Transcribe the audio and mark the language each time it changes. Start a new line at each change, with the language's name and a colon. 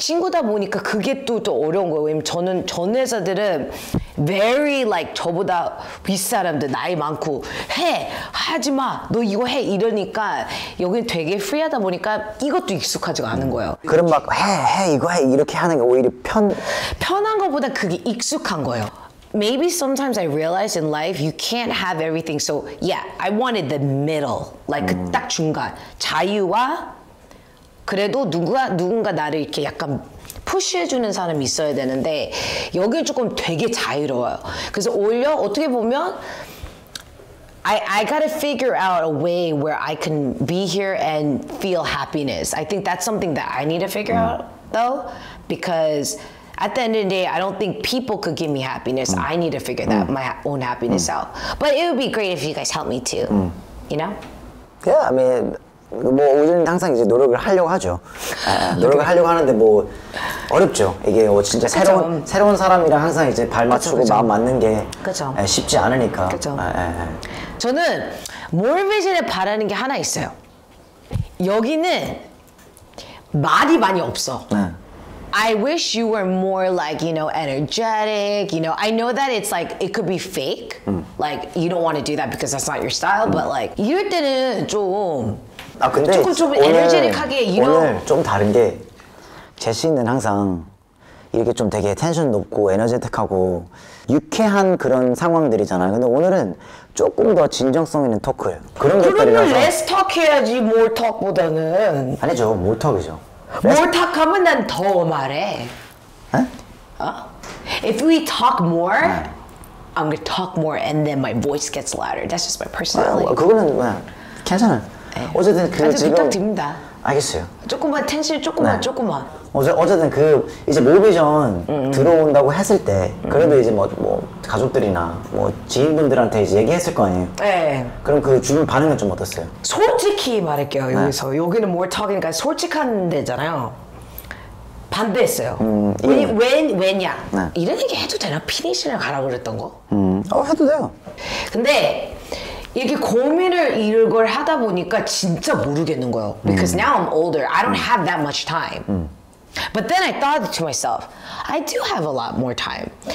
Korean: 친구다 보니까 그게 또 더 어려운 거예요. 왜냐면 저는 전 회사들은
English: very like
Korean: 저보다 윗사람들 나이 많고 해! 하지 마! 너 이거 해! 이러니까 여긴 되게 free하다 보니까 이것도 익숙하지가 않은 거예요. 그럼 막 해! 해! 이거 해! 이렇게 하는 게 오히려 편한 것보다 그게 익숙한 거예요.
English: Maybe sometimes I realize in life you can't have everything. So yeah, I wanted the middle, like
Korean: 딱 중간. 자유와 그래도 누군가 나를 이렇게 약간 푸시해주는 사람이 있어야 되는데 여기 조금 되게 자유로워요. 그래서 오히려 어떻게 보면
English: I gotta figure out a way where I can be here and feel happiness. I think that's something that I need to figure out though, because at the end of the day, I don't think people could give me happiness. I need to figure that my own happiness out. But it would be great if you guys help me too. You know? Yeah, I mean,
Korean: 뭐 우준이는 항상 이제 노력을 하려고 하죠. 노력을 하려고 하는데 뭐 어렵죠. 이게 뭐 진짜 새로운 사람이랑 항상 이제 발 맞추고 그쵸, 그쵸. 마음 맞는 게 그쵸. 쉽지 않으니까. 그쵸. 저는 More Vision에 바라는 게 하나 있어요. 여기는 말이 많이 없어. 네.
English: I wish you were more like, you know, energetic, you know. I know that it's like, it could be fake. Like, you don't want to do that because that's not your style, but like,
Korean: 이럴 때는 좀, 아, 근데 조금 오늘, energetic하게, you 오늘 know. 오늘 좀 다른 게, 제시는 항상 이렇게 좀 되게 텐션 높고, energetic하고, 유쾌한 그런 상황들이잖아요. 근데 오늘은 조금 더 진정성 있는 토크예요. 그런 것들이라서. 그러면 less talk 해야지, more talk보다는. 아니죠, more talk이죠. More talk 하면 난 더 말해. 응? 어?
English: If we talk more,
Korean: 네.
English: I'm gonna talk more and then my voice gets louder. That's just my personality.
Korean: 그거는 그냥 괜찮아. 네. 어쨌든 그 아주 지금 부탁드립니다. 알겠어요. 조금만 텐션 조금만 네. 조금만. 어쨌든 그 이제 모비전 들어온다고 했을 때 그래도 이제 뭐 가족들이나 뭐 지인분들한테 이제 얘기했을 거 아니에요. 네. 그럼 그 주변 반응은 좀 어땠어요? 솔직히 말할게요. 네. 여기서 여기는 More Talk이니까 솔직한 데잖아요. 반대했어요. 왜냐? 네. 이런 얘기 해도 되나? 피니시를 가라 그랬던 거? 해도 돼요. 근데 이렇게 고민을 이런 걸 하다 보니까 진짜 모르겠는 거예요.
English: Because now I'm older. I don't have that much time. But then I thought to myself, I do have a lot more time.